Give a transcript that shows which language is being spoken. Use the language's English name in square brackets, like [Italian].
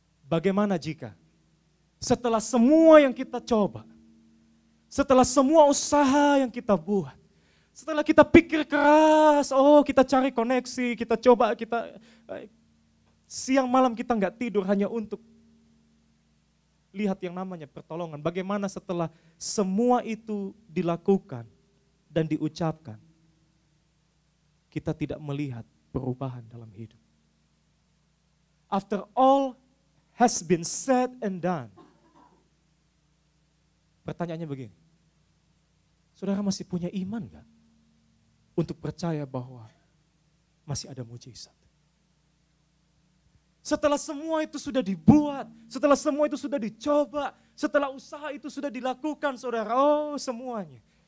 [Indonesian] Bagaimana jika setelah semua yang kita coba, setelah semua usaha yang kita buat, setelah kita pikir keras, kita cari koneksi, kita coba, kita siang malam kita enggak tidur hanya untuk lihat yang namanya pertolongan. Bagaimana setelah semua itu dilakukan dan diucapkan, kita tidak melihat perubahan dalam hidup. [English] After all has been said and done. [Indonesian] Pertanyaannya begini, saudara masih punya iman gak? Untuk percaya bahwa masih ada mujizat. Setelah semua itu sudah dibuat, setelah semua itu sudah dicoba, setelah usaha itu sudah dilakukan, saudara, semuanya.